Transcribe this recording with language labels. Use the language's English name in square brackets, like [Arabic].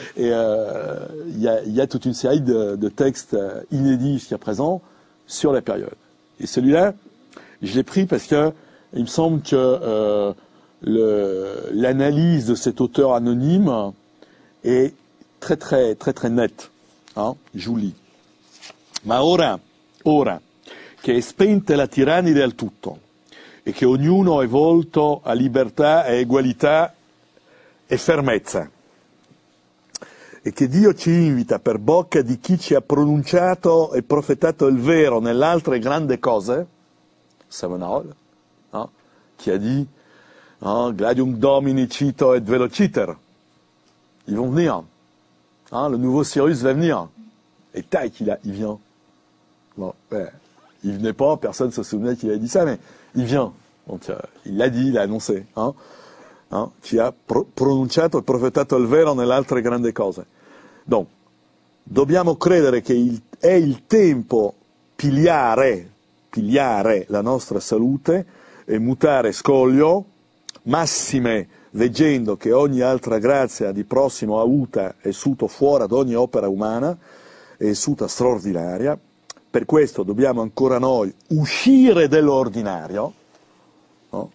[French] Et il y a toute une série de textes inédits jusqu'à présent sur la période. Et celui-là, je l'ai pris parce que il me semble que l'analyse de cet auteur anonyme est très très très très nette. Hein, je vous lis. [Italian] Ma ora, che è spenta la tirannide al tutto, e che ognuno è volto a libertà e egualità e fermezza, e che Dio ci invita per bocca di chi ci ha pronunciato e profetato il vero nell'altre grande cose, Savonarola, no? Chi ha di, [Latin] no? Gladium Domini cito et velociter, [French] ils vont venir. Hein, le nouveau Cyrus va venir. Et tac, il vient. Bon, ouais. Il venait pas, personne se souvenait qu'il avait dit ça, mais il vient. Donc, il l'a dit, il l'a annoncé. Hein, qui a [Italian] pronunciato e profetato il vero nell'altre grande cose. [French] Donc, [Italian] dobbiamo credere che è il tempo pigliare la nostra salute e mutare scoglio, massime, leggendo che ogni altra grazia di prossimo avuta è suto fuori ad ogni opera umana, è suta straordinaria, per questo dobbiamo ancora noi uscire dall'ordinario, no?